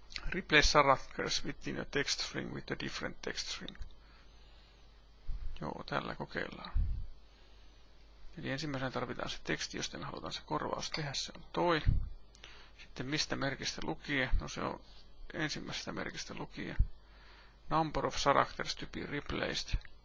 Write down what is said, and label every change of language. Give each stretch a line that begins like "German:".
English: Replace characters with a text string with a different text string.
Finnish: Joo, tällä kokeillaan. Eli ensimmäisenä tarvitaan se teksti, josta me halutaan se korvaus tehdä. Se on toi. Sitten mistä merkistä lukee? No se on ensimmäisestä merkistä lukee.
English: Number of characters to be replaced.